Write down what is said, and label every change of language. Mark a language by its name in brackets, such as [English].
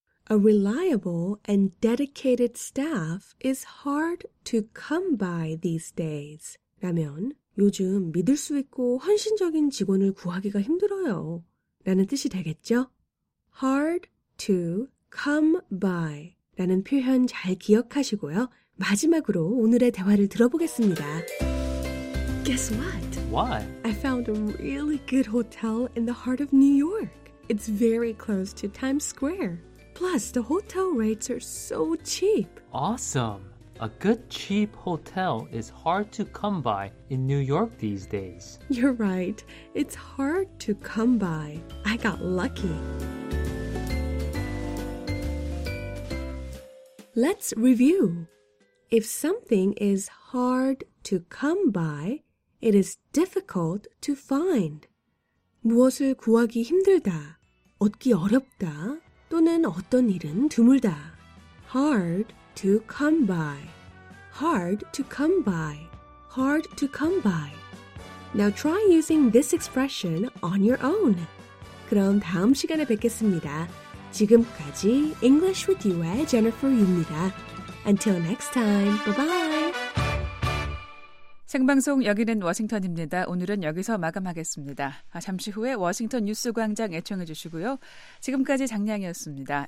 [English] A reliable and dedicated staff is hard to come by these days. [Korean] 라면 요즘 믿을 수 있고 헌신적인 직원을 구하기가 힘들어요. 라는 뜻이 되겠죠? [English] Hard to come by [Korean] 라는 표현 잘 기억하시고요. 마지막으로 오늘의 대화를 들어보겠습니다. [English] Guess what? What? I found a really good hotel in the heart of New York. It's very close to Times Square. Plus, the hotel rates are so cheap. Awesome. A good cheap hotel is hard to come by in New York these days. You're right. It's hard to come by. I got lucky. Let's review. If something is hard to come by, it is difficult to find. [Korean] 무엇을 구하기 힘들다, 얻기 어렵다, 또는 어떤 일은 드물다. [English] Hard to come by. Hard to come by. Hard to come by. Now try using this expression on your own. [Korean] 그럼 다음 시간에 뵙겠습니다. 지금까지 English with You의 Jennifer입니다. [English] Until next time, bye-bye. [Korean] 생방송 여기는 워싱턴입니다. 오늘은 여기서 마감하겠습니다. 잠시 후에 워싱턴 뉴스 광장 애청해 주시고요. 지금까지 장량이었습니다.